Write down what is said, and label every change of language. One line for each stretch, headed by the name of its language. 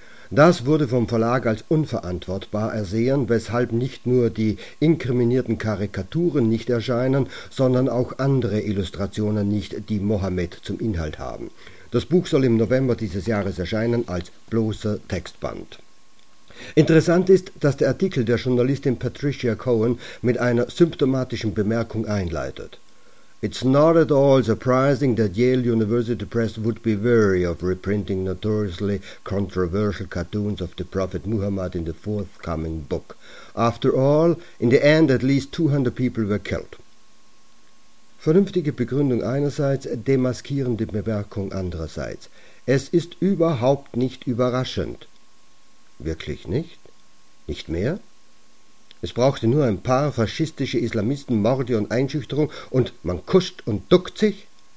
German: Das wurde vom Verlag als unverantwortbar ersehen, weshalb nicht nur die inkriminierten Karikaturen nicht erscheinen, sondern auch andere Illustrationen nicht, die Mohammed zum Inhalt haben. Das Buch soll im November dieses Jahres erscheinen als bloßer Textband. Interessant ist, dass der Artikel der Journalistin Patricia Cohen mit einer symptomatischen Bemerkung einleitet.
English: It's not at all surprising that Yale University Press would be wary of reprinting notoriously controversial cartoons of the Prophet Muhammad in the forthcoming book. After all, in the end at least 200 people were killed.
German: Vernünftige Begründung einerseits, demaskierende Bemerkung andererseits. Es ist überhaupt nicht überraschend. Wirklich nicht? Nicht mehr? Es brauchte nur ein paar faschistische Islamisten, Morde und Einschüchterung und man kuscht und duckt sich?